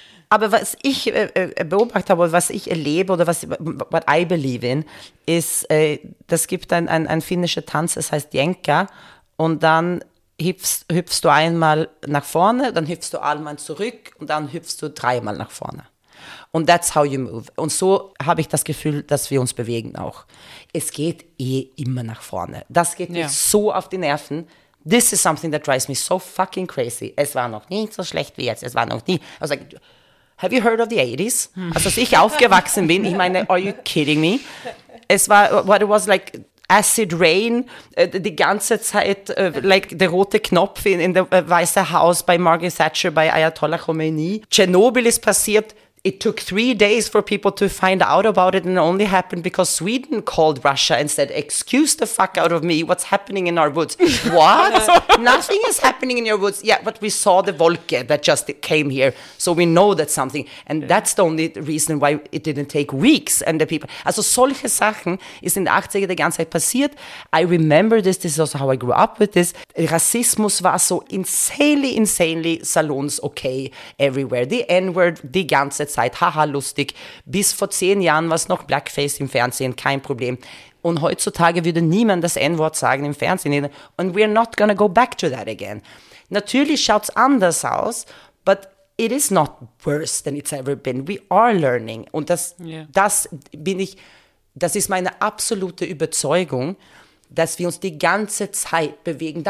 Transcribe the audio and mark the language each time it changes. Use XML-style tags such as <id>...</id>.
<de>Aber was ich beobachtet habe, was ich erlebe oder was, what I believe in, ist, das gibt ein finnischer Tanz, das heißt Jenka, und dann hüpfst du einmal nach vorne, dann hüpfst du einmal zurück und dann hüpfst du dreimal nach vorne. Und that's how you move. Und so habe ich das Gefühl, dass wir uns bewegen auch. Es geht eh immer nach vorne. Das geht mir so auf die Nerven.</de> <en>This is something that drives me so fucking crazy.</en> <de>Es war noch nie so schlecht wie jetzt. Es war noch nie.</de> <en>Also, have you heard of the 80s? Also, als ich aufgewachsen bin, ich meine, are you kidding me?</en> <de>Es war, what it was like, Acid Rain, die ganze Zeit, like der rote Knopf in dem Weißen Haus bei Margaret Thatcher, bei Ayatollah Khomeini. Tschernobyl ist passiert.</de> <en>It took 3 days for people to find out about it and it only happened because Sweden called Russia and said, excuse the fuck out of me, what's happening in our woods? What? Nothing is happening in your woods. Yeah, but we saw the Wolke that just came here. So we know that something. And that's the only reason why it didn't take weeks.</en> <de>And the people, also solche Sachen ist in den 80er die ganze Zeit passiert. I remember this.</de> <en>This is also how I grew up with this. Rassismus war so insanely, insanely salons okay everywhere.</en> <de>The N-word, die ganze Zeit, haha, lustig. Bis vor 10 Jahren war es noch Blackface im Fernsehen, kein Problem. Und heutzutage würde niemand das N-Wort sagen im Fernsehen.</de> <en>And we're not gonna go back to that again. Natürlich schaut es anders aus, but it is not worse than it's ever been. We are learning.</en> <de>Und das ist meine absolute Überzeugung, dass wir uns die ganze Zeit bewegen.</de>